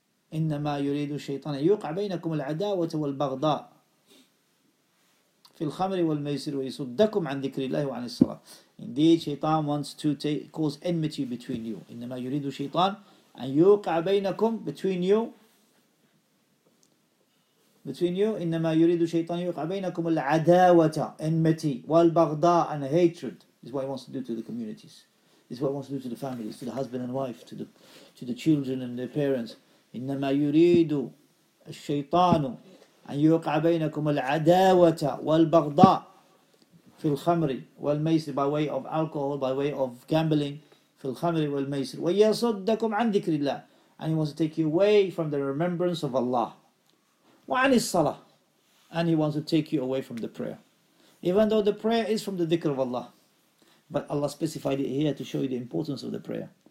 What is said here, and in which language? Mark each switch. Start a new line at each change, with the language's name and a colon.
Arabic: إنما يريد الشيطان يوقع بينكم العداوة والبغضاء في الخمر والميسر ويصدكم عن ذكر الله وعن الصلاة.
English: Indeed, Shaitan wants to cause enmity between you.
Arabic: إنما يريد الشيطان أن يوقع بينكم
English: between you.
Arabic: إنما يريد الشيطان يوقع بينكم العداوة
English: enmity
Arabic: والبغضاء
English: and hatred. This is what he wants to do to the communities. This is what he wants to do to the families, to the husband and wife, to the children and their parents.
Arabic: إنما يريد الشيطان أن يوقع بينكم العداوة والبغضاء في الخمر والميسر,
English: by way of alcohol, by way of gambling,
Arabic: في الخمر والميسر ويصدكم عن ذكر الله,
English: and he wants to take you away from the remembrance of Allah,
Arabic: وعن الصلاة,
English: and he wants to take you away from the prayer, even though the prayer is from the ذكر of Allah, but Allah specified it here to show you the importance of the prayer.